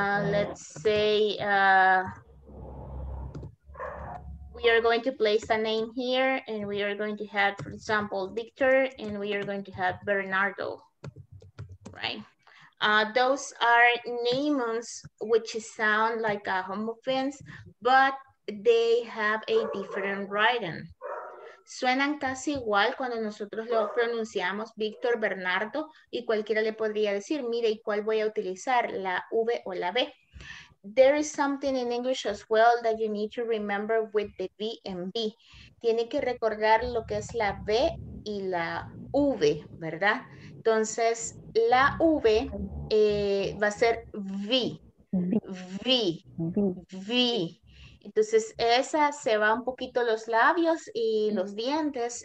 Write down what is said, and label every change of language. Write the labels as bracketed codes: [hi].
[en] Let's say we are going to place a name here and we are going to have, for example, Victor, and we are going to have Bernardo, right? Those are names which sound like a homophones, but they have a different writing. [es] Suenan casi igual cuando nosotros lo pronunciamos Víctor, Bernardo, y cualquiera le podría decir, mire, ¿y cuál voy a utilizar? ¿La V o la B? [en] There is something in English as well that you need to remember with the V and B. [es] Tiene que recordar lo que es la V y la V, ¿verdad? Entonces, la V va a ser V. V. V. Entonces, esa se va un poquito los labios y los dientes.